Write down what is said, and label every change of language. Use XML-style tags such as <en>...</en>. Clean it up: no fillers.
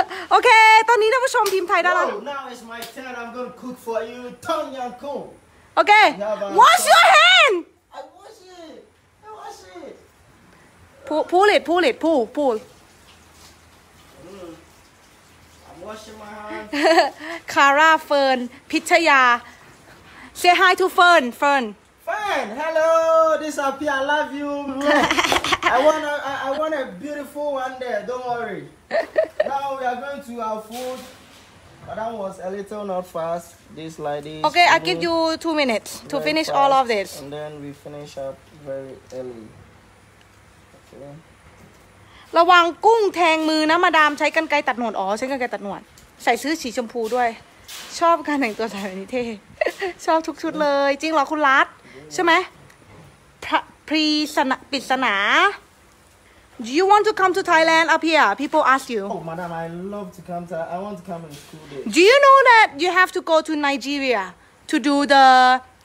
<th>โอเคตอนนี้ท่านผู้ชมพิมพ์ไทยได้แล้ว</th> <en>Now is my turn I'm going to cook for you Tom Yang Kong โอเค Wash your hand I wash it Pull it I'm washing my hands Kara Fern Pitaya Say hi to Fern Fern hello this is Apia I love you I want a beautiful one there don't worryNow we are going to our food. But that was a little not fast. This lady. Okay, I give you 2 minutes to finish fast, all of this. And then we finish up very early. Okay.</en> <th>ระวังกุ้งแทงมือนะมาดามใช้กรรไกรตัดหนวดอ๋อใช้กรรไกรตัดหนวดใส่ซื้อสีชมพูด้วยชอบการแต่งตัวสายนิเทศชอบทุกชุดเลยจริงเหรอคุณรัฐใช่ไหมปริศนา</th> <en>Do you want to come to Thailand up here? People ask you. Oh, madam, I love to come to I want to come and school there. Do you know that you have to go to Nigeria to do the...</en>